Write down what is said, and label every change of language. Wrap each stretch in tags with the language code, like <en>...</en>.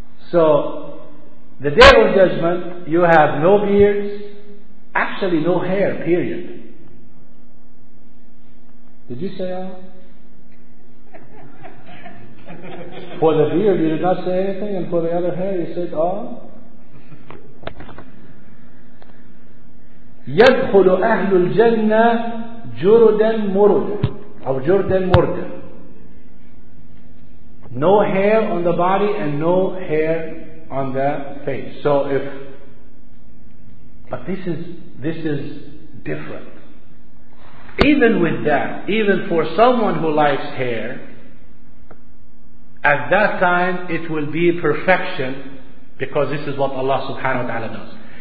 <en>So, the day of judgment, you have no beards, actually no hair, period. Did you say that? For the beard, you did not say anything, and for the other hair, you said, oh.</en> <ar>يدخل أهل الجنة جردا مردا أو جردا مردا.</ar> <en>No hair on the body and no hair on the face. So if, but this is different. Even with that, even for someone who likes hair, at that time it will be perfection, because this is what Allah subhanahu wa ta'ala does.</en>